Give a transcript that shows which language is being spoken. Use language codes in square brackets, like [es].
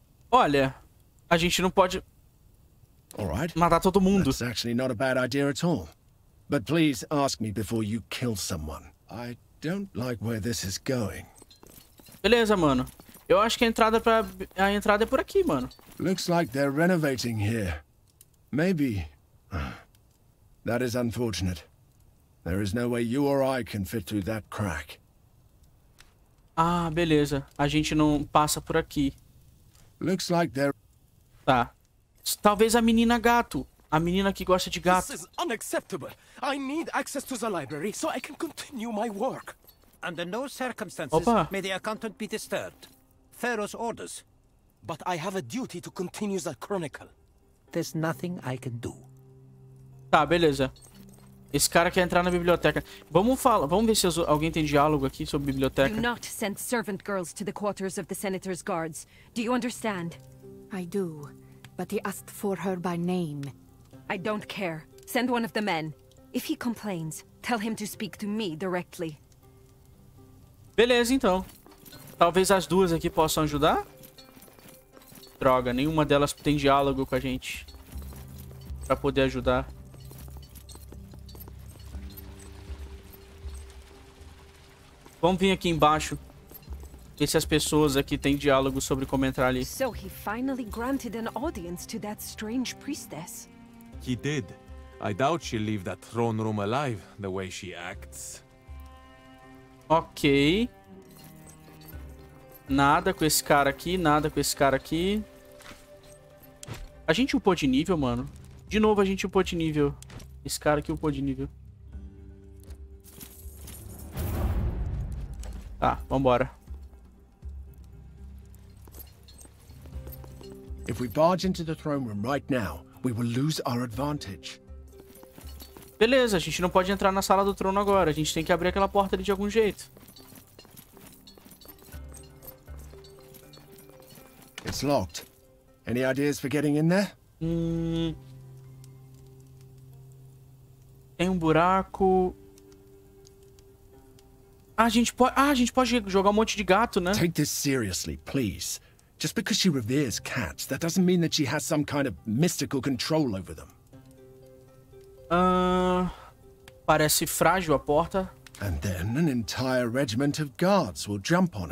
[pt] Olha, a gente não pode matar todo mundo. [en] That's actually not a bad idea at all. But please ask me before you kill someone. I don't like where this is going. [pt] Beleza, mano. Eu acho que a entrada é por aqui, mano. [en] Looks like they're renovating here. Maybe. That is unfortunate. There is no way you or I can fit through that crack. [pt] Ah, beleza. A gente não passa por aqui. [en] Looks like they're... [pt] Tá. Talvez a menina gato. A menina que gosta de gato. [en] This is unacceptable. I need access to the library so I can continue my work. Under no circumstances Opa. May the accountant be disturbed. Pharaoh's orders. But I have a duty to continue the chronicle. There's nothing I can do. [pt] Tá, beleza. Esse cara quer entrar na biblioteca. Vamos ver se alguém tem diálogo aqui sobre biblioteca. [en] Do not send servant girls to the quarters of the senator's guards. Do you understand? I do, but he asked for her by name. I don't care. Send one of the men. If he complains, tell him to speak to me directly. [pt] Beleza, então. Talvez as duas aqui possam ajudar? Droga, nenhuma delas tem diálogo com a gente pra poder ajudar. Vamos vir aqui embaixo. Ver se as pessoas aqui têm diálogo sobre como entrar ali. [en] So he finally granted an audience to that strange priestess. He did. I doubt she'll leave that throne room alive the way she acts. Ok. [pt] Nada com esse cara aqui, nada com esse cara aqui. A gente upou de nível, mano. De novo a gente upou de nível. Esse cara aqui upou de nível. Tá, vambora. [en] If we barge into the throne room right now, we will lose our advantage. [pt] Beleza, a gente não pode entrar na sala do trono agora. A gente tem que abrir aquela porta ali de algum jeito. [en] It's locked. Any ideas for getting in there? [pt] Tem um buraco. A gente pode jogar um monte de gato, né? [en] Take this seriously, please. Just because she reveres cats, that doesn't mean that she has some kind of mystical control over them. [pt] Parece frágil a porta. [en] And then an entire regiment of guards will jump on